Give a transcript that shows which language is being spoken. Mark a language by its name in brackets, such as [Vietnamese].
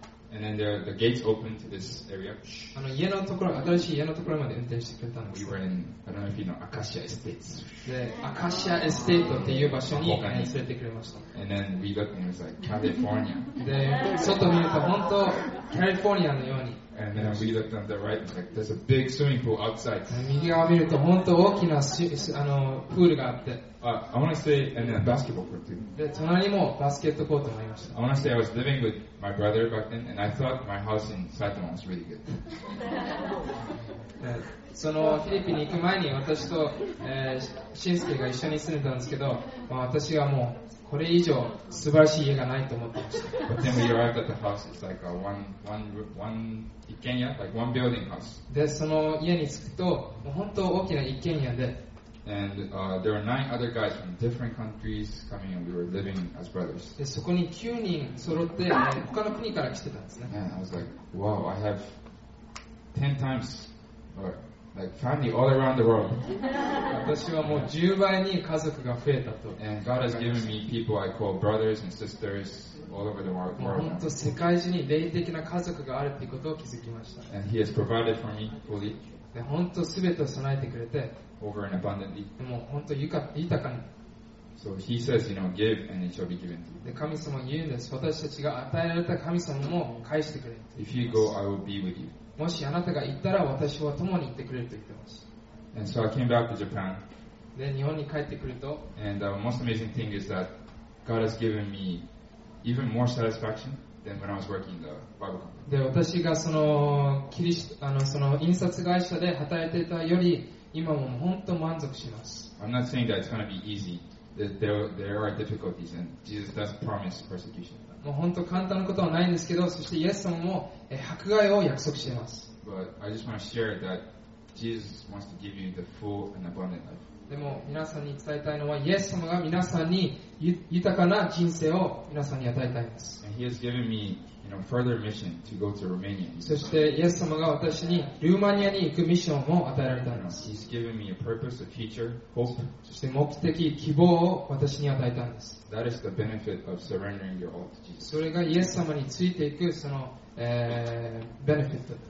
[English] And then there, the gates opened to this area. [Japanese] あの家のところ、新しい家のところまで運転してくれたんです。 [English] We were in, I don't know if you know, Acacia Estates. [Japanese] で、Acacia Estate っていう場所に連れてくれました。 [English] And then we looked and it was like California. [Japanese] で、外見ると本当、カリフォルニアのように。 [English] And then we looked on the right, like there's a big swimming pool outside. [Japanese] 右側見ると本当大きなあのプールがあって。 [English] I want to say, and then a basketball court too. [Japanese] で、隣にもバスケットコートもありました。 [English] I want to say, I was living with my brother back then, and I thought my house in Saitama was really good. [Japanese] そのフィリピンに行く前に私と、シンスケが一緒に住んでたんですけど、まあ、私はもうこれ以上素晴らしい家がないと思ってました。 [English] But then we arrived at the house, it's like a one一軒家、like one building house. [Japanese] で、その家に着くと、もう本当大きな一軒家で、 [English] And there were nine other guys from different countries coming and we were living as brothers. [Japanese] で、そこに9人揃って、他の国から来てたんですね。 [English] And I was like, wow, I have 10 times, or like family all around the world. [Japanese] 私はもう10倍に家族が増えたと。 [English] And God has given me people I call brothers and sisters all over the world. [Japanese] もう本当世界中に霊的な家族があるということを気づきました。 [English] And He has provided for me fully. [Japanese] で、本当すべてを備えてくれて、 [English] Over and abundantly. [Japanese] でも本当豊かに。 [English] So he says, you know, give and it shall be given to you. [Japanese] で、神様言うんです。私たちが与えられた神様も返してくれる。 [English] If you go, I will be with you. [Japanese] もしあなたが行ったら私は共に行ってくれると言ってます。 [English] And so I came back to Japan. [Japanese] で、日本に帰ってくると。 [English] And the most amazing thing is that God has given me even more satisfaction than when I was working in the Bible company. [Japanese] で、私がその印刷会社で働いていたより、今も本当満足します。 [English] I'm not saying that it's going to be easy. There are difficulties, and Jesus does promise persecution. [Japanese] もう本当簡単なことはないんですけど、そしてイエス様も迫害を約束しています。 [English] But I just want to share that Jesus wants to give you the full and abundant life. [Japanese] でも皆さんに伝えたいのは、イエス様が皆さんに豊かな人生を皆さんに与えたいです。 [English] And He has given me, you know, further mission to go to Romania. [Japanese] そしてイエス様が私にルーマニアに行くミッションも与えられたんです。 [English] He's given me a purpose, a future, hope. [Japanese] そして目的、希望を私に与えたんです。 [English] That is the benefit of surrendering your all to Jesus. [Japanese] それがイエス様についていくその、benefit.